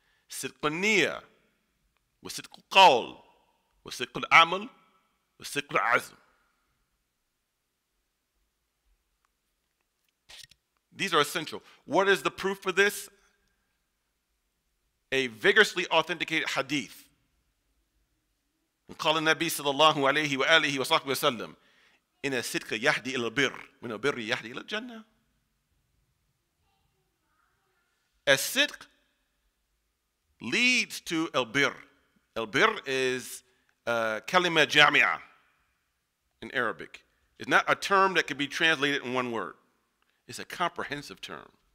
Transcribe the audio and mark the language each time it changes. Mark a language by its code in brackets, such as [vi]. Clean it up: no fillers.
[ar] Sidq al-niyya wa sidq al-qawl wa sidq al-amal wa sidq al-azm. [en] These are essential. What is the proof for this? A vigorously authenticated hadith. [ar] قال النبي صلى الله عليه وآله وصحبه وسلم إن الصدق يهدي إلى البر من البر يهدي إلى الجنة. [en] الصدق leads to البر. البر is [ar] كلمة جامعة [en] in Arabic. It's not a term that can be translated in one word. It's a comprehensive term.